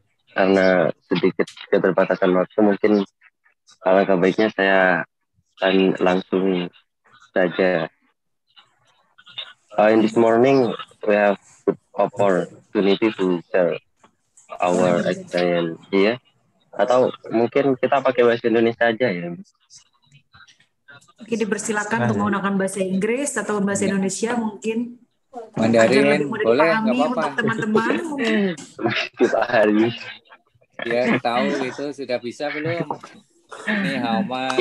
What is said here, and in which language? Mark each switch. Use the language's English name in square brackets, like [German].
[Indonesian] Karena sedikit keterbatasan waktu, mungkin alangkah baiknya saya akan langsung saja. [English] In this morning, we have good opportunity to share our experience here. [Indonesian] Atau mungkin kita pakai bahasa Indonesia aja ya. Oke, dipersilakan untuk menggunakan bahasa Inggris atau bahasa Indonesia mungkin. Mandarin, boleh, nggak apa-apa. Untuk teman-teman mungkin. Pak Hari. Ya, tahu itu sudah bisa belum? Ini hama.